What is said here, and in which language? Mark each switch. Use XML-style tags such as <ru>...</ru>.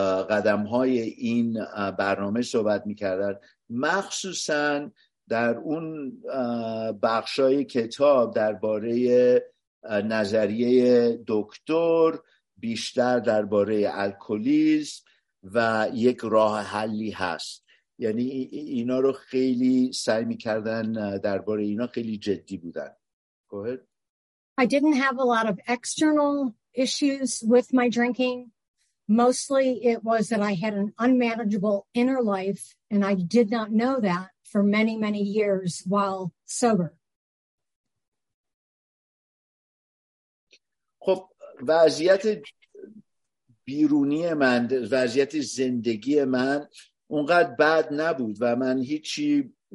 <fa>قدم‌های این برنامه صحبت می‌کردن، مخصوصا در اون بخشای کتاب درباره نظریه دکتر، بیشتر درباره الکلیسم و یک راه حلی هست، یعنی اینا رو خیلی سعی می‌کردن درباره اینا خیلی جدی بودن.</fa> <en>Go ahead. I didn't have a lot of external issues with my drinking. Mostly it was that I had an unmanageable inner life and I did not know that for many many years while sober.</en> <fa>خب وضعیت بیرونی من، وضعیت زندگی من اونقدر بد نبود و من هیچی</fa>